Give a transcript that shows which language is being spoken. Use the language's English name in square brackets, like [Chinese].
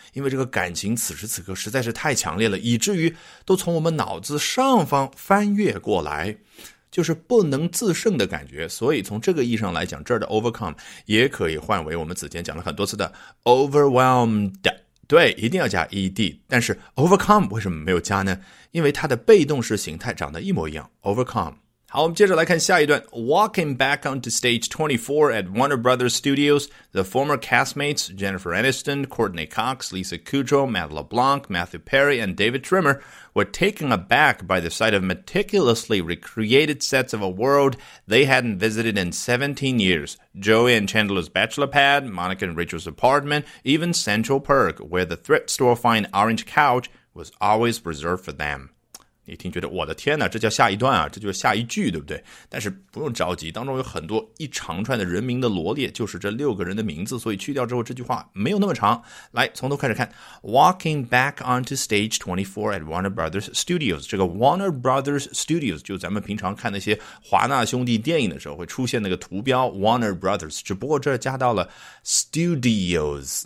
[Chinese] 因为这个感情此时此刻实在是太强烈了，以至于都从我们脑子上方翻越过来，就是不能自胜的感觉。所以从这个意义上来讲，这儿的 overcome 也可以换为我们此前讲了很多次的 overwhelmed，对，一定要加 ed， 但是 overcome 为什么没有加呢？因为它的被动式形态长得一模一样 overcome。好，我们接着来看下一段。 [English] Walking back onto stage 24 at Warner Brothers Studios, the former castmates Jennifer Aniston, Courtney Cox, Lisa Kudrow, Matt LeBlanc, Matthew Perry and David Trimmer were taken aback by the sight of meticulously recreated sets of a world they hadn't visited in 17 years. Joey and Chandler's bachelor pad, Monica and Rachel's apartment, even Central Perk, where the thrift store fine orange couch was always reserved for them. [Chinese] 你听觉得，我的天哪，这叫下一段啊，这就是下一句，对不对？但是不用着急，当中有很多一长串的人名的罗列，就是这六个人的名字，所以去掉之后这句话没有那么长。来，从头开始看。 Walking back onto stage 24 at Warner Brothers Studios， 这个 Warner Brothers Studios 就咱们平常看那些华纳兄弟电影的时候会出现那个图标 Warner Brothers， 只不过这加到了 Studios。